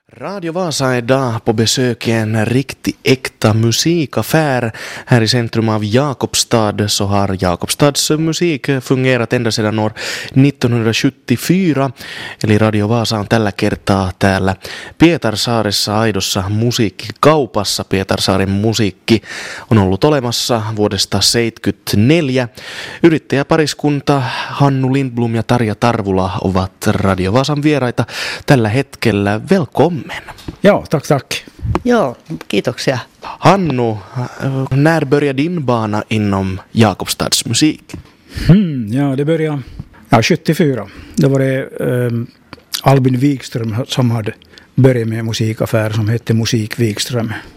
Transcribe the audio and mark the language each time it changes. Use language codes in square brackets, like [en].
[sv] Radio Vasa är idag på besök i en riktig äkta musikaffär. Här i centrum av Jakobstad så har Jakobstads musik fungerat ända sedan år 1974. [fi] Eli Radio Vasa on tällä kertaa täällä Pietarsaaressa aidossa musiikkikaupassa. Pietarsaaren musiikki on ollut olemassa vuodesta 1974. Yrittäjäpariskunta Hannu Lindblom ja Tarja Tarvula ovat Radio Vasan vieraita tällä hetkellä. [en] Welcome. [sv] Joo, tack, tack. [fi] Joo, kiitoksia. [sv] Hannu, när började din bana inom Jakobstads musik? Ja, det började 74. Det var det Albin Wikström som hade börjat med musikaffär som hette Musik Wikström.